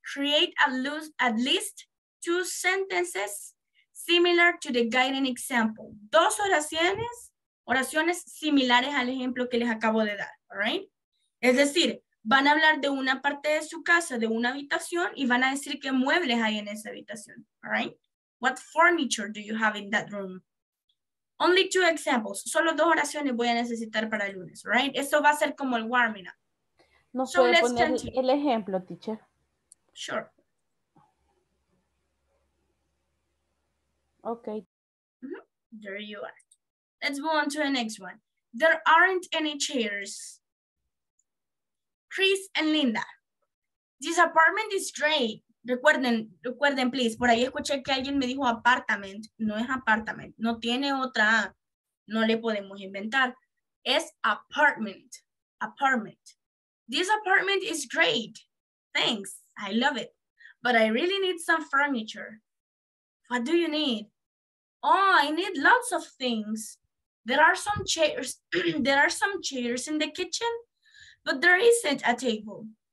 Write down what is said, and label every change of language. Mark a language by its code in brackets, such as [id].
[en] Create at least two sentences similar to the guiding example. [es] Dos oraciones similares al ejemplo que les acabo de dar. [en] All right? [es] Es decir, van a hablar de una parte de su casa, de una habitación, y van a decir qué muebles hay en esa habitación. [en] All right? What furniture do you have in that room? Only two examples. [es] Solo dos oraciones voy a necesitar para el lunes, right? Eso va a ser como el warming up. No, so puede let's poner continue. El ejemplo, teacher. [en] Sure. Okay. Mm-hmm. There you are. Let's move on to the next one. There aren't any chairs. Chris and Linda. This apartment is great. [es] Recuerden, please, por ahí escuché que alguien me dijo apartment, no es apartment, no tiene otra A, no le podemos inventar, es apartment. [en] This apartment is great, thanks, I love it, but I really need some furniture. What do you need? Oh, I need lots of things. There are some chairs, there are some chairs in the kitchen, but there isn't a table.